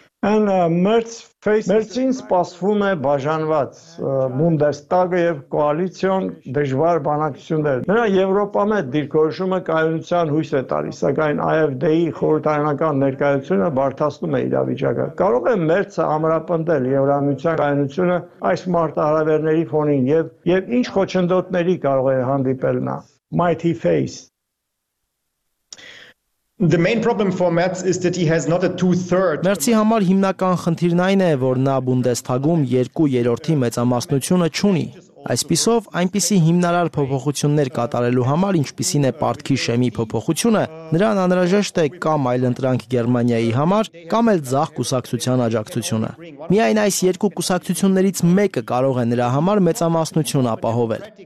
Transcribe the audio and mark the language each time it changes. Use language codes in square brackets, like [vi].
[en] And Merz face [hy] Merzin սպասվում է բաժանված Bundestag-ը եւ կոալիցիոն դժվար բանակցություններ։ Նրա Եվրոպամետ դիրքորոշումը կայունության հույս է տալիս, սակայն AfD-ի խորհրդարանական ներկայությունը բարձրացնում է իրավիճակը։ Կարող է Merz-ը ամրապնդել Եվրամիության կայունությունը այս մարտահրավերների ֆոնին եւ ինչ խոչընդոտների կարող է հանդիպել նա։ [en] Mighty face. The main problem for Merz is that he has not a 2/3. [hy] Մերցի համար հիմնական խնդիրն այն է, որ նա Բունդեսթագում 2/3 մեծամասնությունը չունի։ Այսպիսով, այնպիսի հիմնարար փոփոխություններ կատարելու համար, ինչպիսին է Պարտքի շեմի փոփոխությունը, նրան անհրաժեշտ է կամ այլ ընտրանք Գերմանիայի համար, կամ էլ ցախ կուսակցության աջակցությունը։ Միայն այս երկու կուսակցություններից մեկը կարող է նրա համար մեծամասնություն ապահովել։